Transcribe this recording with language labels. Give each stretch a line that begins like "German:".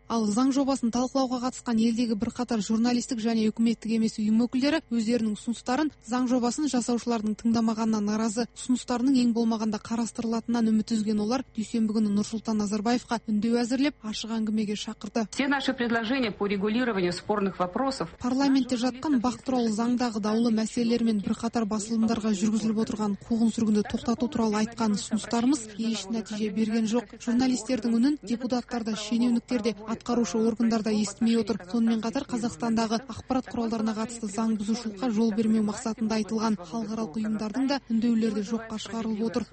Kazakh: Ал заң жобасын талқылауға қатысқан елдегі бірқатар журналистік және үкіметтік емес ұйым өкілдері өздерінің ұсыныстарын заң жобасын жасаушылардың тыңдамағанына наразы. Ұсыныстарының ең болмағанда қарастырылатынан үміт үзген олар дүйсенбі күні Нұрсұлтан Назарбаевқа үндеу әзірлеп ашық әңгімеге шақырды.
Russian: Все наши предложения по регулированию спорных вопросов.
Kazakh: Парламентте жатқан бақ туралы заңдағы даулы мәселелер мен бірқатар басылымдарға жүргізіліп отырған қуғын-сүргінді тоқтату туралы айтқан ұсыныстарымыз еш нәтиже берген жоқ. Журналистердің үнін депутаттар да, шенеуніктер де атқарушы органдарда естімей отыр. Сонымен қатар Қазақстандағы ақпарат құралдарына қатысты заң бұзушылыққа жол бермеу мақсатында айтылған халықаралық ұйымдардың да үндеулері жоққа шығарылып отыр.